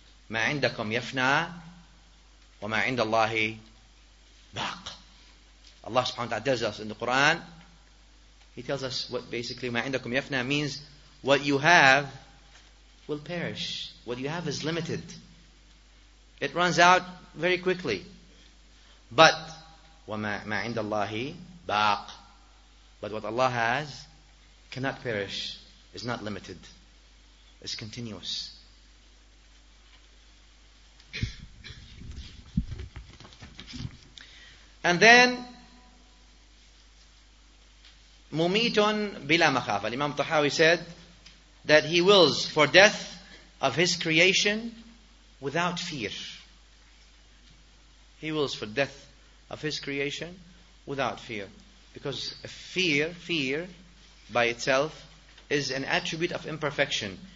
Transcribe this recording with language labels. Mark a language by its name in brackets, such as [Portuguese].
[Arabic] مَا عِنْدَكُمْ يَفْنَى وَمَا عِنْدَ اللَّهِ بَاقْ. [English] Allah subhanahu wa ta'ala tells us in the Quran, he tells us what basically [Arabic] مَا عِنْدَكُمْ يَفْنَى [English] means what you have will perish. What you have is limited. It runs out very quickly. But [Arabic] وَمَا عِنْدَ اللَّهِ بَاقْ. [English] But what Allah has cannot perish, is not limited, is continuous. And then [Arabic] مُمِيتٌ بِلَا مَخَافَ. [English] Imam Tahawi said that he wills for death of his creation without fear. He wills for death of his creation without fear. Because fear by itself is an attribute of imperfection.